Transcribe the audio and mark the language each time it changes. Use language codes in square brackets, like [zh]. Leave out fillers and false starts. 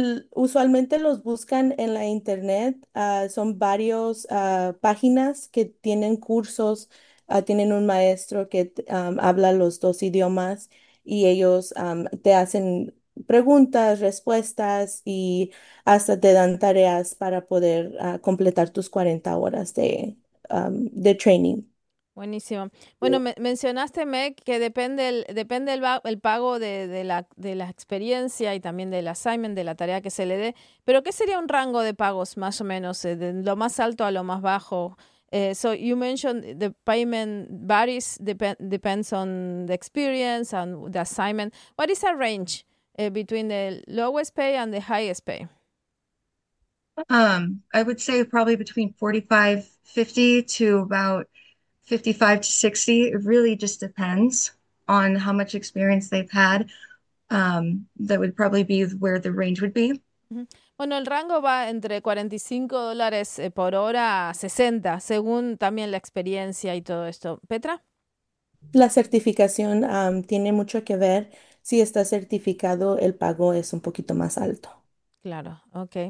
[es] Usualmente los buscan en la internet, son varios páginas que tienen cursos, tienen un maestro que habla los dos idiomas y ellos te hacen preguntas, respuestas y hasta te dan tareas para poder completar tus 40 horas de training. Buenísimo. Bueno, mencionaste, Meg, que depende el pago de la experiencia y también del assignment, de la tarea que se le dé. Pero ¿qué sería un rango de pagos más o menos, de lo más alto a lo más bajo? [en] So you mentioned the payment depends on the experience and the assignment. What is a range between the lowest pay and the highest pay? I would say probably between 45-50 to about 55-60. It really just depends on how much experience they've had. That would probably be where the range would be. [es] Bueno, el rango va entre $45 por hora a 60, según también la experiencia y todo esto. Petra. La certificación, tiene mucho que ver. Si está certificado, el pago es un poquito más alto. Claro, ok.